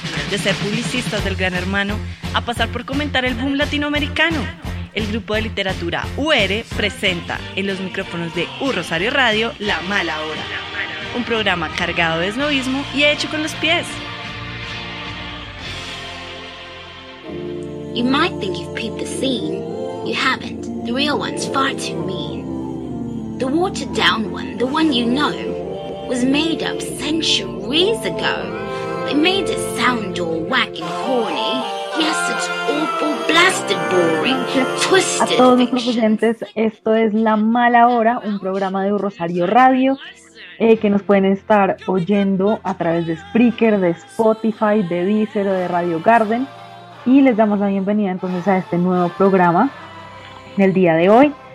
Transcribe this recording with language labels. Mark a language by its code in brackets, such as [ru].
[es] De ser publicistas del Gran Hermano a pasar por comentar el boom latinoamericano, el grupo de literatura UR presenta en los micrófonos de U Rosario Radio La Mala Hora, un programa cargado de esnovismo y hecho con los pies. [en] You might think you've peeped the scene. You haven't. The real one's far too mean. The watered-down one, the one you know, was made up centuries ago. They made it sound all whack and corny. Yes, it's awful, blasted, boring, twisted. [es] A todos nuestros oyentes, esto es La Mala Hora, un programa de U Rosario Radio. Que nos pueden estar oyendo a través de Spreaker, de Spotify, de Deezer o de Radio Garden. Y les damos la bienvenida entonces a este nuevo programa del día de hoy.